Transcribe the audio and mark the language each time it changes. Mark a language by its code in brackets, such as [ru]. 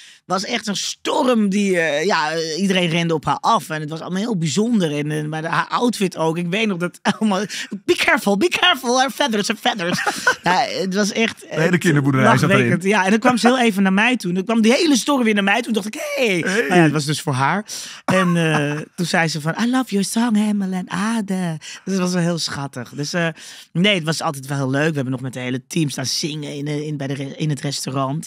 [nl] was echt een storm die iedereen rende op haar af. En het was allemaal heel bijzonder. En maar haar outfit ook. Ik weet nog dat allemaal... [en] be careful, her feathers. [nl] Ja, het was echt... De hele kinderboerderij zat erin. Ja, en dan kwam ze heel even naar mij toe. En dan kwam die hele storm weer naar mij toe. En dacht ik, hey. Maar ja, het was dus voor haar. En toen zei ze van, [en] I love your song, [nl] Hemel en Aarde. Dus het was wel heel schattig. Dus het was altijd wel heel leuk. We hebben nog met de hele team staan zingen in het restaurant.